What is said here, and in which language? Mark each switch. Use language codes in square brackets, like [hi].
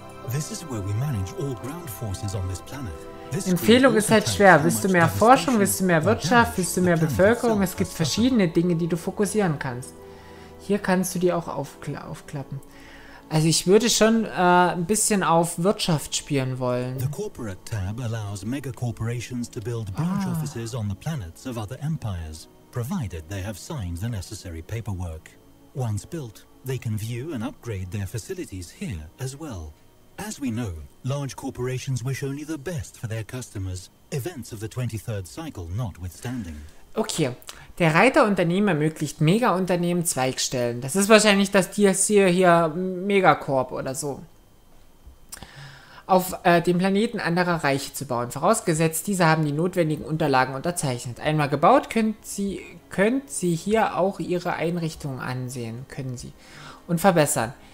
[en] This is where we manage all ground forces on this planet. [de] Empfehlung ist halt schwer. Willst du mehr Forschung? Willst du mehr Wirtschaft? Willst du mehr Bevölkerung? Es gibt verschiedene Dinge, die du fokussieren kannst. Hier kannst du die auch aufklappen. Also ich würde schon ein bisschen auf Wirtschaft spielen wollen. [en] The corporate tab allows mega corporations to build branch offices on the planets of other empires, provided they have signed the necessary paperwork. Once built, they can view and upgrade their facilities here as well. As we know, large corporations wish only the best for their customers, events of the 23rd cycle notwithstanding. [de] Okay, der Reiterunternehmen ermöglicht Mega-Unternehmen Zweigstellen. Das ist wahrscheinlich das DLC hier, Megacorp oder so. Auf dem Planeten anderer Reiche zu bauen, vorausgesetzt, diese haben die notwendigen Unterlagen unterzeichnet. Einmal gebaut, könnt sie hier auch ihre Einrichtungen ansehen, können sie, und verbessern.